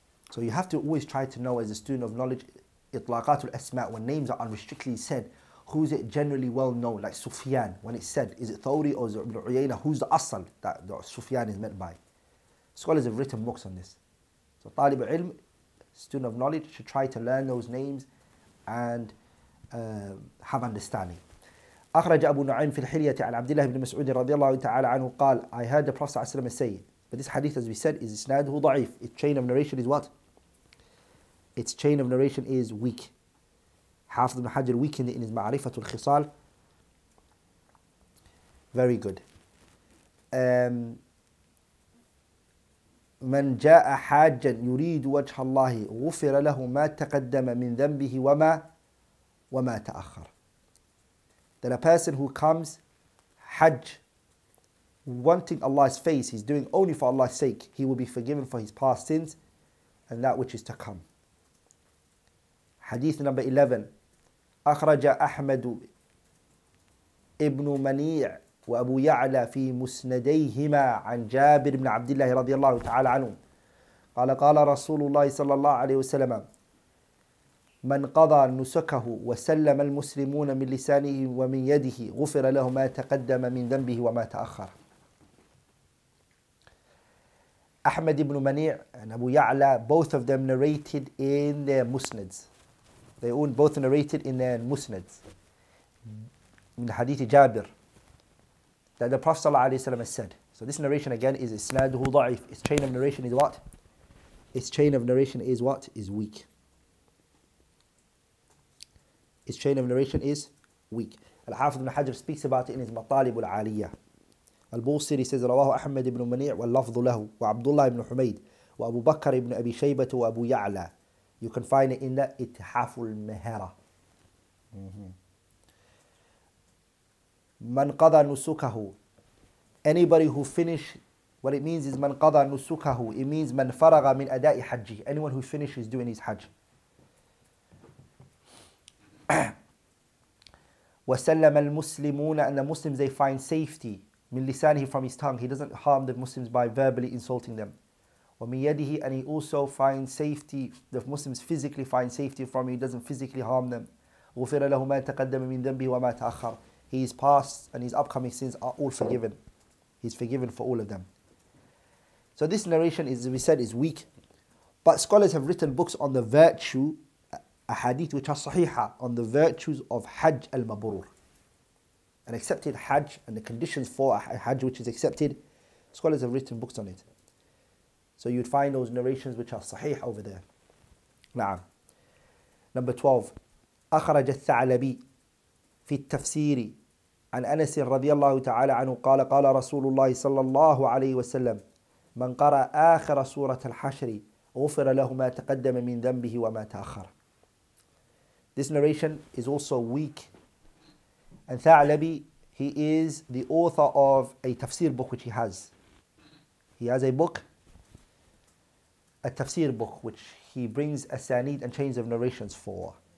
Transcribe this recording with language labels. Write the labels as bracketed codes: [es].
[en] So you have to always try to know as a student of knowledge, [ar] itlaqatul asma', [en] when names are unrestrictedly said, who's it generally well known, like Sufyan, when it's said, is it Thawri or is it Ibn Uyayna, who's the asal that the Sufyan is meant by? Scholars have written books on this. So talib al-ilm, student of knowledge, should try to learn those names and have understanding. [ar] أخرج أبو نعيم في الحلية عن عبد الله بن مسعود رضي الله تعالى عنه قال [en] I heard the Prophet [ar] صلى الله عليه وسلم [en] say but this hadith as we said is [ar] إسناده ضعيف. [en] Its chain of narration is what? Its chain of narration is weak. [ar] حافظ بن حجر [en] weakened in his [ar] معرفة الخصال. [en] Very good. [ar] من جاء حاجا يريد وجه الله غفر له ما تقدم من ذنبه وما تأخر. [en] That a person who comes Hajj wanting Allah's face, he's doing only for Allah's sake, he will be forgiven for his past sins and that which is to come. Hadith number 11. [ar] أخرج أحمد ابن منيع وأبو يعلى في مسنديهما عن جابر بن عبد الله رضي الله تعالى عنه قال قال رسول الله صلى الله عليه وسلم من قضى نسكه وسلم المسلمون من لسانه ومن يده غفر له ما تقدم من ذنبه وما تأخر. [en] أحمد بن منيع and Abu Ya'la, both of them narrated in their musnads. They all both narrated in their musnads. [ar] من حديث جابر [en] that the Prophet [ar] صلى الله عليه وسلم [en] said. So this narration again is [ar] إسناده ضعيف. [en] Its chain of narration is what? Its chain of narration is what? Is weak. His chain of narration is weak. Al-Hafidh ibn Hajr speaks about it in his Matalib al-Aliyah. Al-Busiri says, [ar] رواه أحمد ibn Mani' واللفظ له وعبد الله ibn Humayd وأبو بكر ibn أبي شيبة وأبو يعلى. [en] You can find it in the Ithaf al-Mahara. [ar] من قضى نسكه. [en] Anybody who finished, what it means is من قضى نسكه. It means [ar] من فرغ من أداء حجه. [en] Anyone who finished is doing his Hajj. [ar] وسلم المسلمون [en] and the Muslims they find safety [ar] من لسانه [en] from his tongue. He doesn't harm the Muslims by verbally insulting them. [ar] ومن يده [en] and he also finds safety, the Muslims physically find safety from him. He doesn't physically harm them. [ar] غفر له ما تقدم من ذنبه وما تأخر. [en] His past and his upcoming sins are all forgiven. He's forgiven for all of them. So this narration is, as we said, is weak. But scholars have written books on the virtue, a hadith which are sahiha, on the virtues of Hajj al-Mabrur. An accepted Hajj and the conditions for a Hajj which is accepted, scholars have written books on it. So you'd find those narrations which are sahih over there. Na'am. Number 12. [ar] أخرج الثعلبي في التفسير عن أنس رضي الله تعالى عنه قال قال رسول الله صلى الله عليه وسلم من قرأ آخر سورة الحشر غفر له ما تقدم من ذنبه وما تأخر. [en] This narration is also weak. And Tha'labi, he is the author of a tafsir book which he has. He has a book, a tafsir book, which he brings asanid and chains of narrations for.